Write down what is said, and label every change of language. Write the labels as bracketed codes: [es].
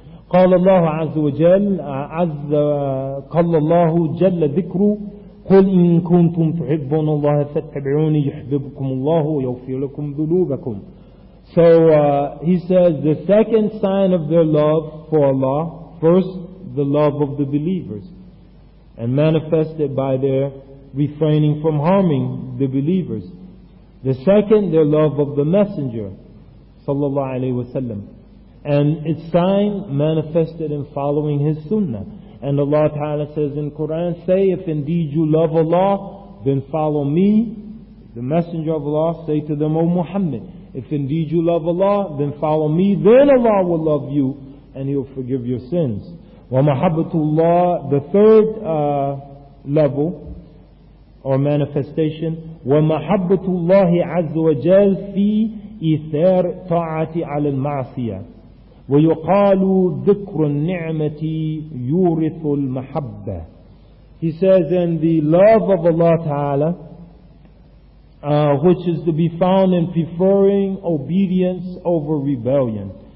[ar] قال الله عز وجل عز قال الله جل ذكره قل إن كنتم تحبون الله فاتبعوني يحببكم الله ويغفر لكم ذنوبكم. [en] So he says the second sign of their love for Allah, first the love of the believers, and manifested by their refraining from harming the believers. The second, their love of the Messenger, [ar] صلى الله عليه وسلم. [en] And its sign manifested in following his sunnah. And Allah Ta'ala says in Quran, say, if indeed you love Allah, then follow me, the Messenger of Allah. Say to them, O Muhammad, if indeed you love Allah, then follow me, then Allah will love you, and He will forgive your sins. [ar] وَمَحَبَّتُ اللَّهِ, [en] the third level or manifestation, [ar] وَمَحَبَّتُ اللَّهِ عَزُّ وَجَلْ فِي إِثَارِ طَاعَةِ عَلَى الْمَعْصِيَةِ وَيُقَالُ ذِكْرُ النِّعْمَةِ يُورِثُ الْمَحَبَّةِ. [en] He says, and the love of Allah Ta'ala, which is to be found in preferring obedience over rebellion.